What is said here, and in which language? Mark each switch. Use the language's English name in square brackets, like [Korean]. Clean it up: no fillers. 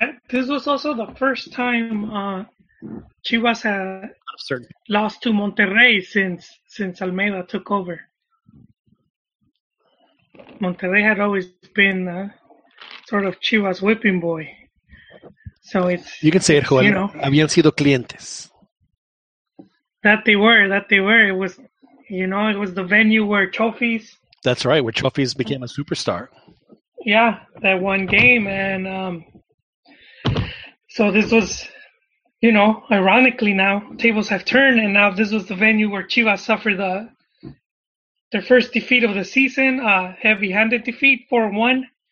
[English] This was also the first time Chivas had lost to Monterrey since Almeida took over. Monterrey had always been sort of Chivas' whipping boy. So it's, you can say it, Joel. You know, [Spanish] habían sido clientes. [English] That they were. It was, you know, it was the venue where Trophies. That's right, where Trophies became a superstar. Yeah, that one game. And... So this was, you know, ironically now, tables have turned, and now this was the venue where Chivas suffered their first defeat of the season, a heavy-handed defeat, 4-1.